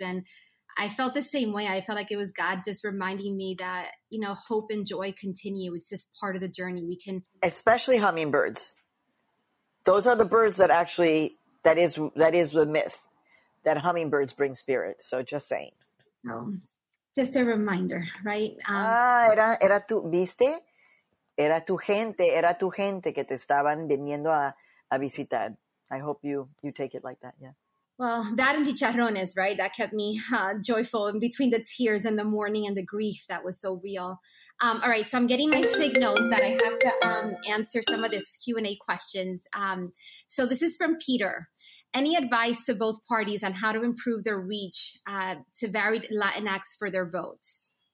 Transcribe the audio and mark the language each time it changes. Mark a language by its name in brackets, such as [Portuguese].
[English] And I felt the same way. I felt like it was God just reminding me that, you know, hope and joy continue. It's just part of the journey. We can... Especially hummingbirds. Those are the birds that actually... That is the myth, that hummingbirds bring spirit. So just saying. No, just a reminder, right? [Spanish] Era tu, viste? Era tu gente que te estaban viniendo a visitar. [English] I hope you take it like that, yeah. Well, that and chicharrones, right? That kept me joyful in between the tears and the mourning and the grief that was so real. All right, so I'm getting my signals that I have to answer some of this Q&A questions. So this is from Peter. Any advice to both parties on how to improve their reach to varied Latinx for their votes?